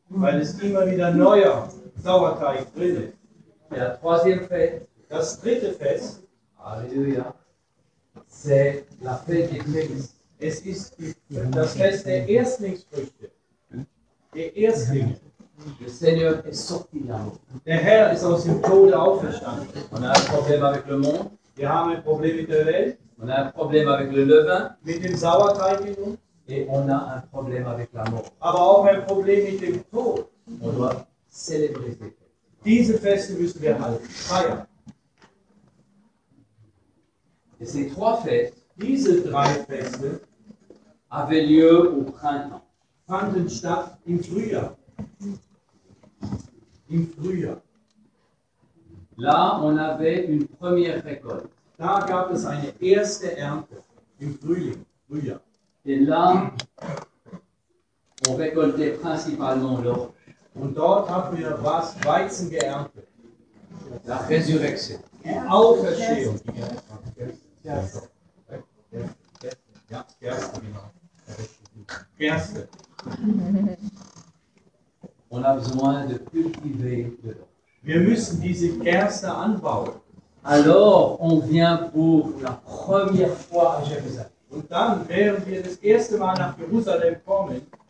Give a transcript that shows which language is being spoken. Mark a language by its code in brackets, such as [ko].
[de] Weil es immer wieder neuer Sauerteig drin ist. [fr] Et la troisième fête, [de] das dritte Fest, [fr] alléluia, c'est la fête des Prémices. [de] Es ist das Fest der Erstlingsfrüchte. Der Erstling. [fr] Le Seigneur est sorti de la mort. [de] Der Herr ist aus dem Tode auferstanden. [fr] On a un problème avec le monde. [de] Wir haben ein Problem mit der Welt. [fr] On a un problème avec le levain. [de] Mit dem Sauerteig in uns. [fr] Et on a un problème avec la mort. [de] Aber auch ein Problem mit dem Tod. [fr] On doit célébrer. [de] Diese Feste müssen wir halten, feiern. [fr] Et ces trois fêtes, [de] diese drei Feste, [fr] avaient lieu au printemps, [de] fanden statt im Frühjahr. Im Frühjahr. [fr] Là, on avait une première récolte. [de] Da gab es eine erste Ernte im Frühling, Frühjahr. [fr] Et là, on récoltait principalement l'orge. [de] Und dort haben wir was Weizen geerntet. [fr] La Resurrection. [de] Die Auferstehung. Ja, Gerste, genau. Gerste. [fr] On a besoin de cultiver de l'orge. [de] Wir müssen diese Gerste anbauen. [fr] Alors, on vient pour la première fois à Jérusalem. [de] Und dann werden wir das erste Mal nach Jerusalem kommen,